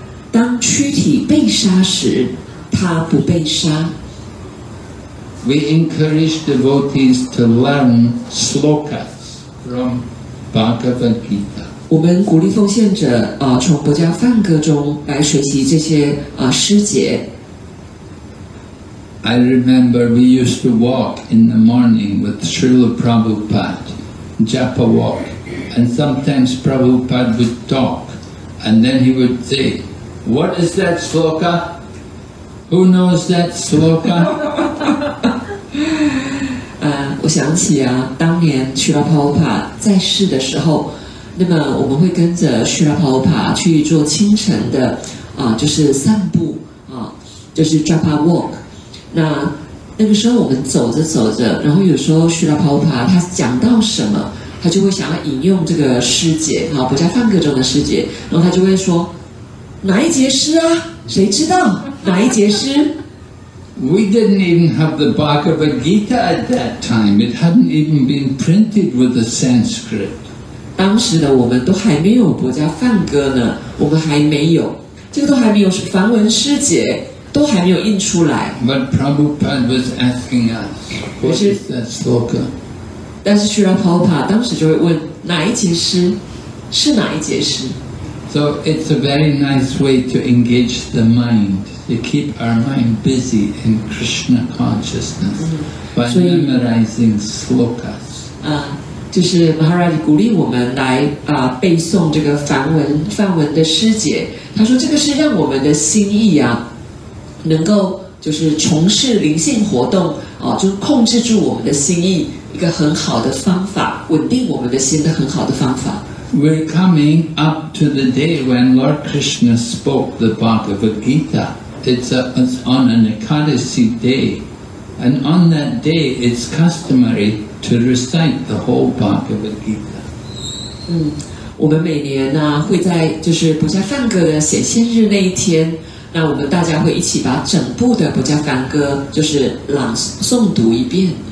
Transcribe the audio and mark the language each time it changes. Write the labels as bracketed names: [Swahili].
[Chinese] 当躯体被杀时，它不被杀。 [English] We encourage devotees to learn slokas from Bhagavad Gita. [Chinese] 我们鼓励奉献者从博伽梵歌中来学习这些诗节。 [English] I remember we used to walk in the morning with Srila Prabhupada, japa walk, and sometimes Prabhupada would talk, and then he would say, "What is that sloka? Who knows that sloka?" [Chinese] 我想起啊，当年Srila Prabhupada在世的时候，那么我们会跟着Srila Prabhupada去做清晨的就是散步就是japa walk。那个时候我们走着走着，然后有时候Srila Prabhupada他讲到什么，他就会想要引用这个诗节啊，《博伽梵歌》中的诗节，然后他就会说哪一节诗啊？谁知道哪一节诗？ [English] We didn't even have the Bhagavad Gita at that time. It hadn't even been printed with the Sanskrit. [Chinese] 当时的我们都还没有《博伽梵歌》呢，我们还没有，这个都还没有梵文诗节，都还没有印出来。 [English] But Prabhupada was asking us, "What is that sloka?" [Chinese] 但是Srila Prabhupada当时就会问哪一节诗，是哪一节诗？ [English] So it's a very nice way to engage the mind. To keep our mind busy in Krishna consciousness by memorizing slokas. [Chinese] 就是 Maharaj 鼓励我们来背诵这个梵文的诗节。他说这个是让我们的心意啊，能够就是从事灵性活动就是控制住我们的心意，一个很好的方法，稳定我们的心的很好的方法。 [English] We're coming up to the day when Lord Krishna spoke the Bhagavad Gita. It's on an Ekadasi day, and on that day, it's customary to recite the whole Bhagavad Gita. [Chinese] 我们每年呢会在就是博伽梵歌的显现日那一天，那我们大家会一起把整部的博伽梵歌就是朗诵读一遍。